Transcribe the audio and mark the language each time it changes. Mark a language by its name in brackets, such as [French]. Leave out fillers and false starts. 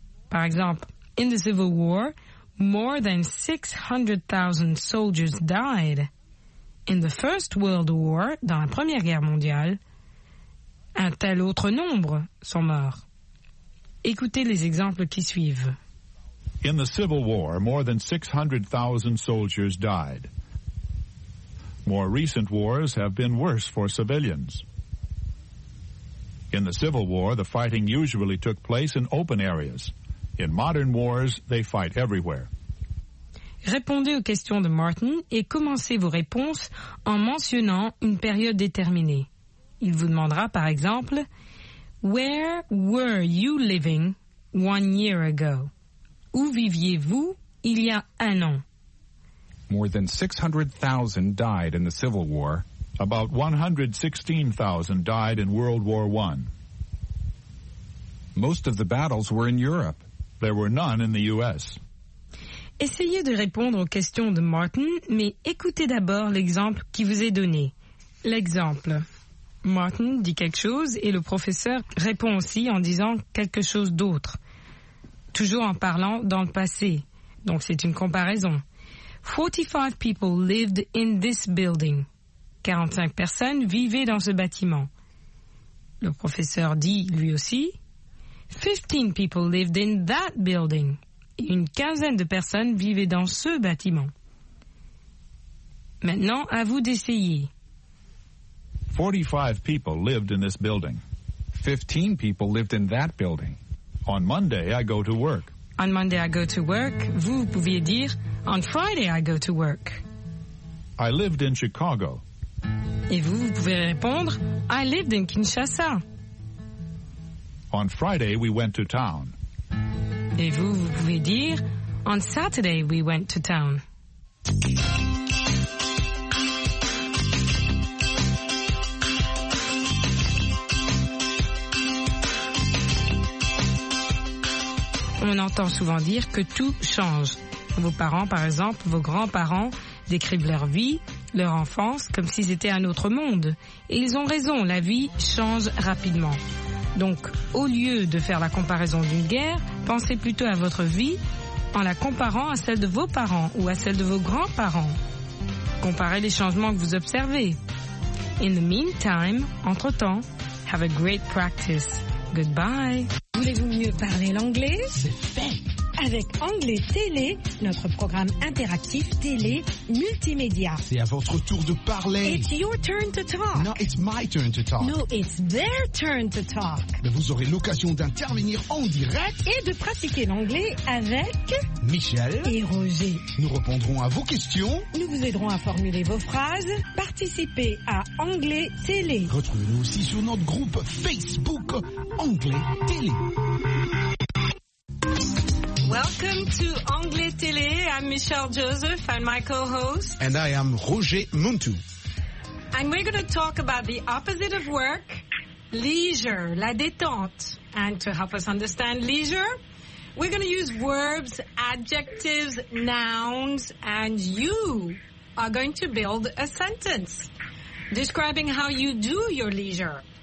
[French] Par exemple, [English] « In the Civil War, more than 600,000 soldiers died. In the First World War, [French] dans la Première Guerre mondiale, un tel autre nombre sont morts. » Écoutez les exemples qui suivent. [English] In the Civil War, more than 600,000 soldiers died. More recent wars have been worse for civilians. In the Civil War, the fighting usually took place in open areas. In modern wars, they fight everywhere. [French] Répondez aux questions de Martin et commencez vos réponses en mentionnant une période déterminée. Il vous demandera, par exemple, [English] Where were you living 1 year ago? [French] Où viviez-vous il y a un an? [English] More than 600,000 died in the Civil War. About 116,000 died in World War I. Most of the battles were in Europe. There were none in the U.S. [French] Essayez de répondre aux questions de Martin, mais écoutez d'abord l'exemple qui vous est donné. L'exemple. Martin dit quelque chose et le professeur répond aussi en disant quelque chose d'autre. Toujours en parlant dans le passé. Donc c'est une comparaison. [English] 45 people lived in this building. [French] 45 personnes vivaient dans ce bâtiment. Le professeur dit lui aussi. [English] 15 people lived in that building. [French] Une quinzaine de personnes vivaient dans ce bâtiment. Maintenant, à vous d'essayer. [English] 45 people lived in this building. 15 people lived in that building. On Monday, I go to work. On Monday, I go to work. [French] Vous pouviez dire, [English] on Friday, I go to work. I lived in Chicago. [French] Et vous, vous pouvez répondre, [English] I lived in Kinshasa. On Friday, we went to town. [French] Et vous, vous pouvez dire, [English] on Saturday, we went to town. [French] On entend souvent dire que tout change. Vos parents, par exemple, vos grands-parents, décrivent leur vie, leur enfance, comme si c'était un autre monde. Et ils ont raison, la vie change rapidement. Donc, au lieu de faire la comparaison d'une guerre, pensez plutôt à votre vie en la comparant à celle de vos parents ou à celle de vos grands-parents. Comparez les changements que vous observez. [English] In the meantime, [French] entre-temps, [English] have a great practice. Goodbye. [French] Voulez-vous mieux parler l'anglais? C'est fait! Avec Anglais Télé, notre programme interactif télé multimédia. C'est à votre tour de parler. [English] It's your turn to talk. No, it's my turn to talk. No, it's their turn to talk. [French] Mais vous aurez l'occasion d'intervenir en direct. Et de pratiquer l'anglais avec... Michel. Et Roger. Nous répondrons à vos questions. Nous vous aiderons à formuler vos phrases. Participez à Anglais Télé. Retrouvez-nous aussi sur notre groupe Facebook Anglais Télé. [English] Welcome to Anglais Télé. I'm Michelle Joseph. I'm my co-host. And I am Roger Muntou. And we're going to talk about the opposite of work, leisure, [French] la détente. [English] And to help us understand leisure, we're going to use verbs, adjectives, nouns, and you are going to build a sentence describing how you do your leisure.